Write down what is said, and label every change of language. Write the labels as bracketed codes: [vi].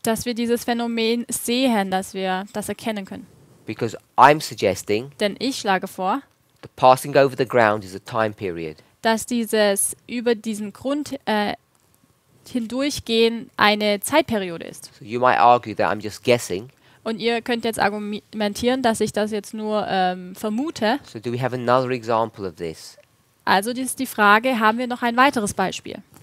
[de] Dass wir dieses Phänomen sehen, dass wir das erkennen können. [en] Because I'm suggesting. [de] Denn ich schlage vor. [en] The passing over the ground is a time period. [de] Dass dieses über diesen Grund hindurchgehen eine Zeitperiode ist. [en] So you might argue that I'm just guessing. [de] Und ihr könnt jetzt argumentieren, dass ich das jetzt nur vermute. [en] So do we have another example of this? [de] Also ist die Frage, haben wir noch ein weiteres Beispiel?